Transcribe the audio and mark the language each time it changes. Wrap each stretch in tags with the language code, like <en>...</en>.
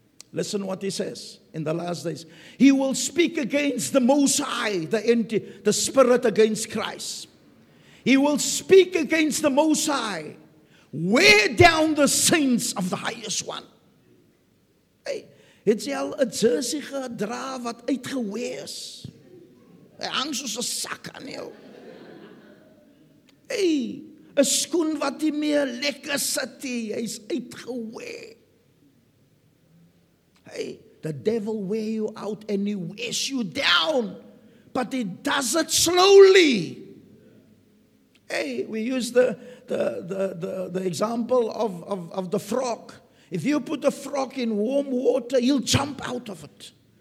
<en>Listen what he says in the last days. He will speak against the Most High, the Spirit against Christ. He will speak against the Most High, wear down the saints of the Highest One.</en> <af>Hey, het jy al 'n jersey gedra wat uitgeweer is? Hy hang soos 'n sak aan jou. Hey, 'n skoen wat nie meer lekker sit nie, hy's uitgeweer.</af> <en>Hey, the devil wears you out and he wears you down, but he does it slowly. Hey, we use the example of the frog. If you put a frog in warm water, he'll jump out of it.</en>